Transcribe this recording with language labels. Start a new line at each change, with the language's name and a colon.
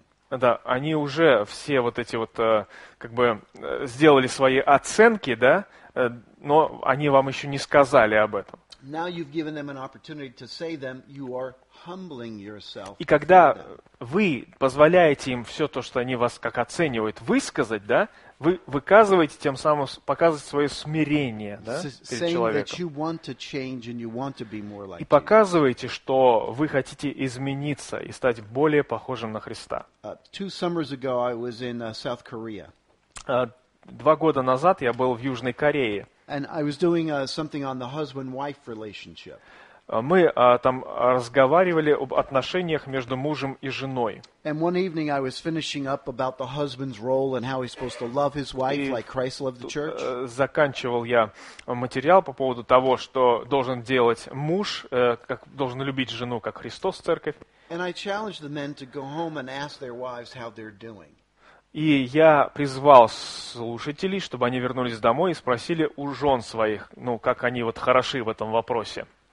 Russian: Да, они уже все вот эти вот как бы сделали свои оценки, да, но они вам еще не сказали об этом.
English: Now you've given them an opportunity to say them, you are humbling yourself.
Russian: И когда вы позволяете им все то, что они вас как оценивают, высказать, да, вы выказываете тем самым, показываете свое смирение, да, перед человеком.
English: That you want to change and you want to be more like
Russian: и показываете, что вы хотите измениться и стать более похожим на Христа.
English: Two summers ago I was in South Korea.
Russian: Два года назад я был в Южной Корее.
English: And I was doing something on the husband-wife relationship.
Russian: Мы там разговаривали об отношениях между мужем и женой.
English: And one evening I was finishing up about the husband's role and how he's supposed to love his wife like Christ loved the church.
Russian: Заканчивал я материал по поводу того, что должен делать муж, как должен любить жену, как Христос церковь.
English: And I challenged the men to go home and ask their wives how they're doing.
Russian: И я призвал слушателей, чтобы они вернулись домой и спросили у жен своих, ну, как они вот хороши в этом вопросе.